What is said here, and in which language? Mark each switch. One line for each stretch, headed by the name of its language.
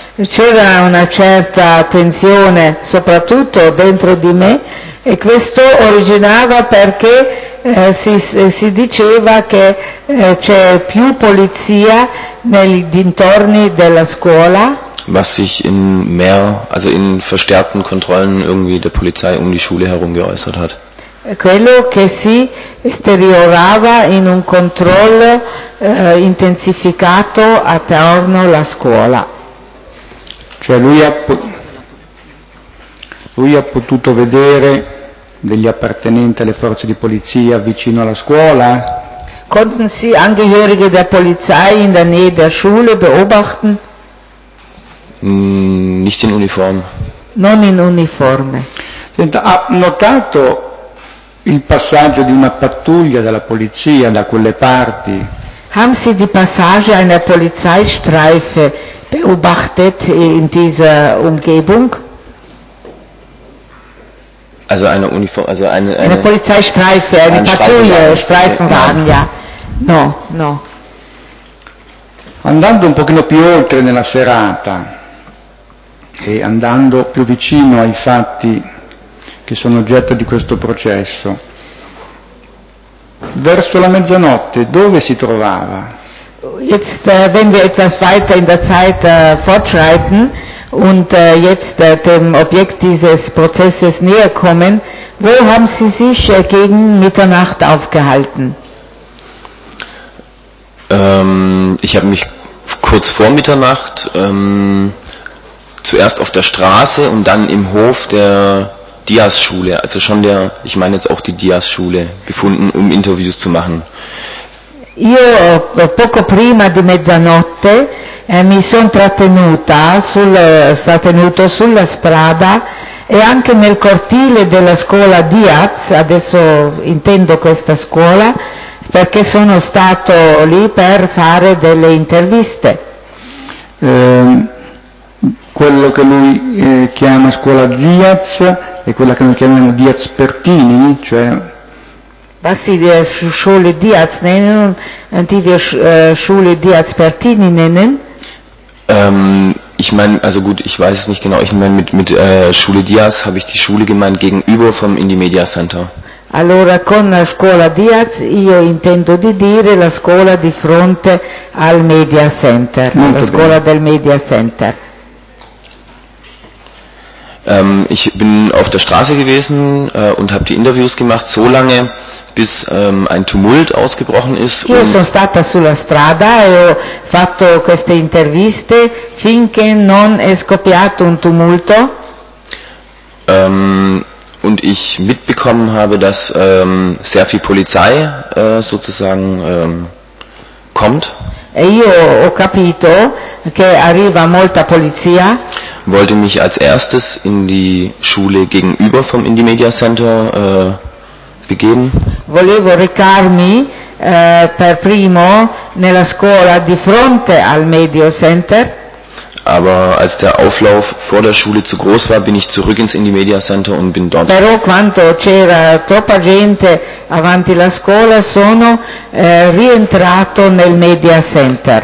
Italian: C'era una certa tensione, soprattutto dentro di me, e questo originava perché si diceva che c'è più polizia nei dintorni della scuola.
German: Was sich in mehr, also in verstärkten Kontrollen irgendwie der Polizei um die Schule herum geäußert hat.
Italian: Quello che si esteriorava in un controllo intensificato attorno alla scuola. Cioè lui ha potuto vedere degli appartenenti alle forze di polizia vicino alla scuola?
German: Konnten Sie Angehörige der Polizei in der Nähe der Schule beobachten? Nicht in Uniform.
Italian: Non in uniforme. Senta, ha notato il passaggio di una pattuglia della polizia da quelle parti?
German: Haben Sie die Passage einer Polizeistreife beobachtet in dieser Umgebung? Also eine Uniform, also eine Polizeistreife, eine Pattuglia, Streifenwagen, ja.
Italian: No, no. Andando un pochino più oltre nella serata e andando più vicino ai fatti che sono oggetto di questo processo, verso la mezzanotte, dove si trovava?
German: Jetzt, wenn wir etwas weiter in der Zeit fortschreiten und jetzt dem Objekt dieses Prozesses näher kommen, wo haben Sie sich gegen Mitternacht aufgehalten? Ich habe mich kurz vor Mitternacht zuerst auf der Straße und dann im Hof der Diaz-Schule, also schon der, ich meine jetzt auch die Diaz-Schule, befunden, um Interviews zu machen.
Italian: Io poco prima di mezzanotte mi sono trattenuto sulla strada e anche nel cortile della scuola Diaz, adesso intendo questa scuola, perché sono stato lì per fare delle interviste. Quello che lui chiama scuola Diaz è quella che noi chiamiamo Diaz Pertini, cioè
German: was sie die Schule Diaz nennen und die wir Schule Diaz Pertini nennen? Ich meine, also gut, ich weiß es nicht genau. Ich meine, mit Schule Diaz habe ich die Schule gemeint gegenüber vom Indimedia Center.
Italian: Allora, con la scuola Diaz io intendo di dire la scuola di fronte al Media Center, la scuola del Media Center.
German: Ich bin auf der Straße gewesen und habe die Interviews gemacht, so lange, bis ein Tumult ausgebrochen ist.
Italian: Io sono stata sulla strada e ho fatto queste interviste finché non è scoppiato un tumulto.
German: Und ich mitbekommen habe, dass sehr viel Polizei sozusagen kommt.
Italian: E io ho capito che arriva molta polizia.
German: Wollte mich als erstes in die Schule gegenüber vom Indimedia Center begeben.
Italian: Volevo recarmi per primo nella scuola di fronte al Media Center.
German: Aber als der Auflauf vor der Schule zu groß war, bin ich zurück ins Indimedia Center und bin dort.
Italian: Però quando c'era troppa gente avanti la scuola, sono rientrato nel Media Center.